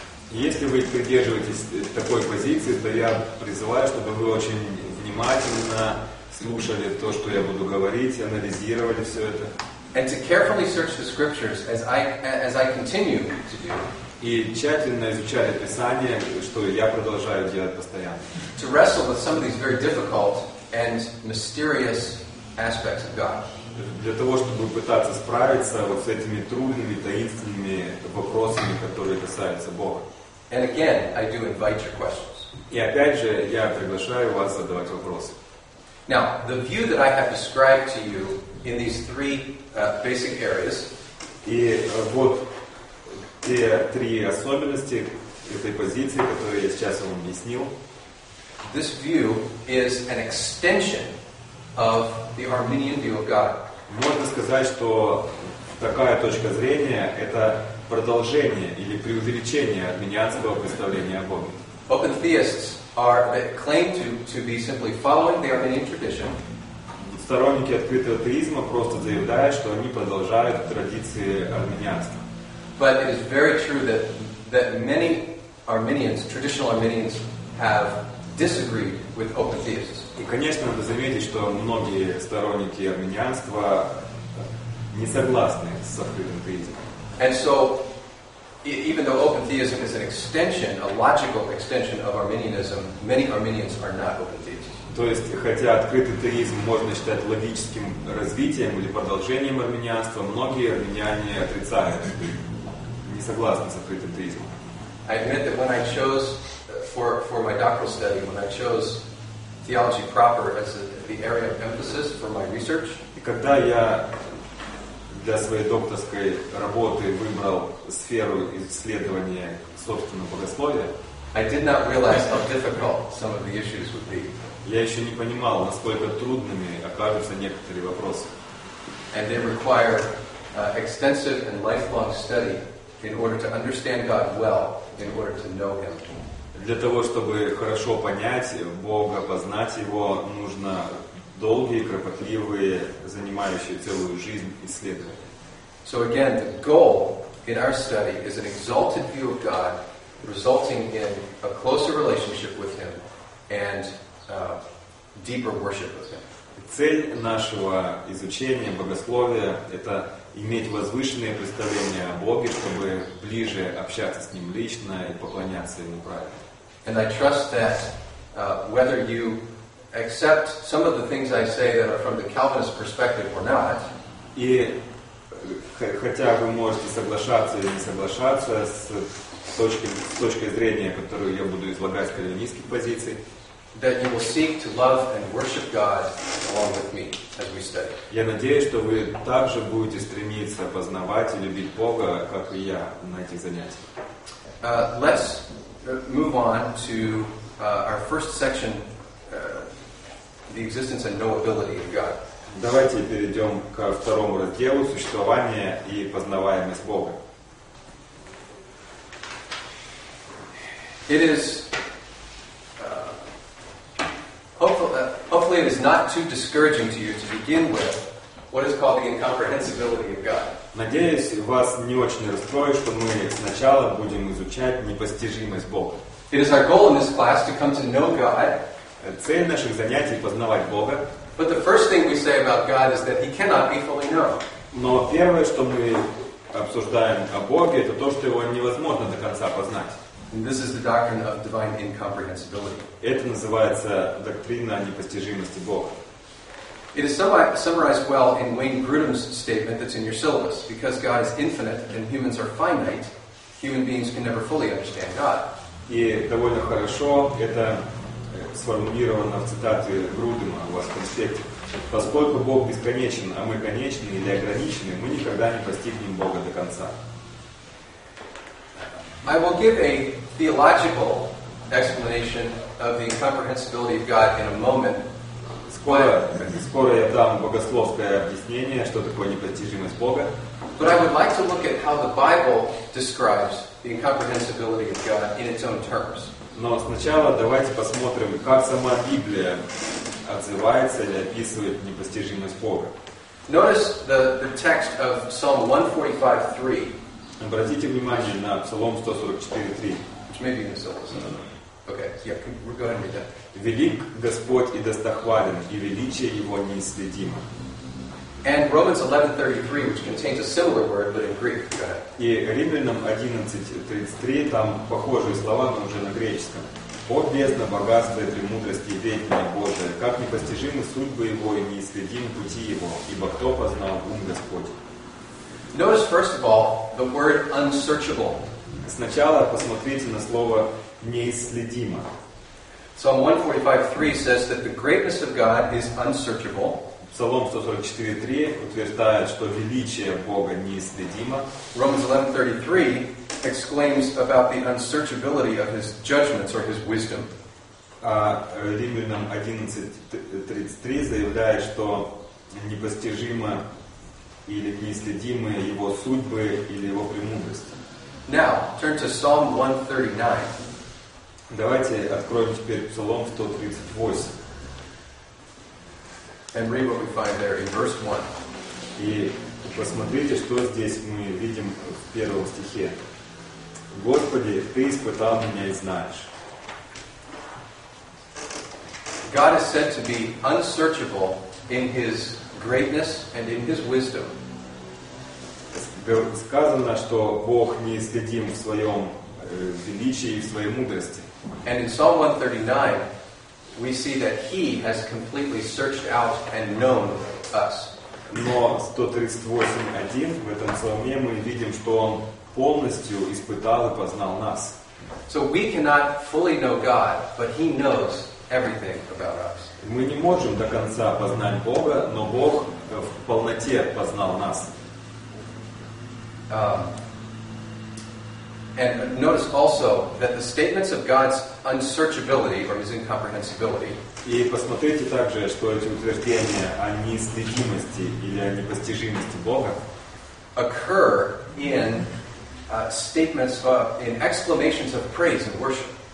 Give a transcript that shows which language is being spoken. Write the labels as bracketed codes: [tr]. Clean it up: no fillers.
[ru] Если вы придерживаетесь такой позиции, то я призываю, чтобы вы очень внимательно слушали то, что я буду говорить, анализировали все это. [en] And to carefully search the scriptures as I continue to do. [ru] И тщательно изучали Писание, что я продолжаю делать постоянно. [en] To wrestle with some of these very difficult and mysterious aspects of God. [ru] Для того, чтобы пытаться справиться вот с этими трудными, таинственными вопросами, которые касаются Бога. [en] And again, I do invite your questions. [ru] И опять же, я приглашаю вас задавать вопросы. [en] Now, the view that I have described to you in these three basic areas. [ru] И вот те три особенности этой позиции, которые я сейчас вам объяснил. [en] This view is an extension of the Arminian view of God. [ru] Можно сказать, что такая точка зрения — это продолжение или преувеличение арминианского представления о Боге. [en] Open theists are claimed to be simply following the Arminian tradition. [ru] Сторонники открытого атеизма просто заявляют, что они продолжают традиции арминианства. [en] But it is very true that many Arminians, traditional Arminians, have disagreed with open theists. [ru] И, конечно, надо заметить, что многие сторонники арминианства не согласны с открытым атеизмом. [en] And so, even though open theism is an extension, a logical extension of Arminianism, many Arminians are not open theists. [ru] То есть, хотя открытый атеизм можно считать логическим развитием или продолжением арминианства, многие армяне отрицают, не согласны с открытым атеизмом. [en] I admit that when I chose for my doctoral study, when I chose theology proper as the area of emphasis for my research. [ru] И когда я для своей докторской работы выбрал сферу исследования собственного богословия, [en] I did not realize how difficult some of the issues would be. [ru] Я еще не понимал, насколько трудными окажутся некоторые вопросы. [en] And they require extensive and lifelong study in order to understand God well, in order to know Him. [ru] Для того, чтобы хорошо понять Бога, познать Его, нужно долгие, кропотливые, занимающие целую жизнь исследования. [en] So again, the goal in our study is an exalted view of God, resulting in a closer relationship with Him and deeper worship of Him. [ru] Цель нашего изучения богословия — это иметь возвышенное представление о Боге, чтобы ближе общаться с Ним лично и поклоняться Ему правильно. [en] And I trust that whether you accept some of the things I say that are from the Calvinist perspective or not. [ru] И хотя вы можете соглашаться или не соглашаться с точки зрения, которую я буду излагать с кальвинистских позиций. [en] That you will seek to love and worship God along with me as we study. [ru] Я надеюсь, что вы также будете стремиться познавать и любить Бога, как и я, на этих занятиях. [en] Let's move on to our first section, the existence and knowability of God. [ru] Давайте перейдем ко второму разделу, существование и познаваемость Бога. [en] It is hopefully it is not too discouraging to you to begin with what is called the incomprehensibility of God. [ru] Надеюсь, вас не очень расстроит, что мы сначала будем изучать непостижимость Бога. [en] It is our goal in this class to come to know God. [ru] Цель наших занятий — познавать Бога. [en] But the first thing we say about God is that He cannot be fully known. [ru] Но первое, что мы обсуждаем о Боге, это то, что Его невозможно до конца познать. [en] And this is the doctrine of divine incomprehensibility. [ru] Это называется доктрина непостижимости Бога. [en] It is summarized well in Wayne Grudem's statement that's in your syllabus. Because God is infinite and humans are finite, human beings can never fully understand God. [ru] И довольно хорошо это сформулировано в цитате Грудема у вас в конспекте. Поскольку Бог бесконечен, а мы конечны или ограничены, мы никогда не постигнем Бога до конца. [en] I will give a theological explanation of the incomprehensibility of God in a moment. [ru] Скоро я дам богословское объяснение, что такое непостижимость Бога. [en] But I would like to look at how the Bible describes the incomprehensibility of God in its own terms. [ru] Но сначала давайте посмотрим, как сама Библия отзывается или описывает непостижимость Бога. [en] Notice the text of Psalm 145:3. [ru] Обратите внимание на Псалом 144:3. [en] Which may be in the syllabus. Okay, yeah, we're going with that. [ru] Велик Господь и достохвален, и величие Его неисследимо. [en] And Romans 11:33, which contains a similar word, but in Greek. Go ahead. [ru] И Римлянам 11:33, там похожие слова, но уже на греческом. О бездна богатства и премудрости и ведения Божия, как непостижимы судьбы Его и неисследимы пути Его, ибо кто познал ум Господень? [en] Notice, first of all, the word unsearchable. [ru] Сначала посмотрите на слово неисследимо. [en] Psalm 145:3 says that the greatness of God is unsearchable. [ru] Псалом 144:3 утверждает, что величие Бога неисследимо. [en] Romans 11:33 exclaims about the unsearchability of His judgments or His wisdom. [ru] А Римлянам 11:33 заявляет, что непостижимо или неисследимо Его судьбы или Его премудрости. [en] Now, turn to Psalm 139. [ru] Давайте откроем теперь Псалом 138. [en] And read what we find there in verse 1. [ru] И посмотрите, что здесь мы видим в первом стихе. Господи, Ты испытал меня и знаешь. [en] God is said to be unsearchable in His greatness and in His wisdom. [ru] Сказано, что Бог неисследим в Своем величии и в Своей мудрости. [en] And in Psalm 139, we see that He has completely searched out and known us. [ru] Но 138:1 в этом псалме мы видим, что Он полностью испытал и познал нас. [en] So we cannot fully know God, but He knows everything about us. [ru] Мы не можем до конца познать Бога, но Бог в полноте познал нас. [en] And notice also that the statements of God's unsearchability or His incomprehensibility. [ru] И посмотрите также, что эти утверждения о неисследимости или о непостижимости Бога [en] occur in statements in exclamations of praise and worship.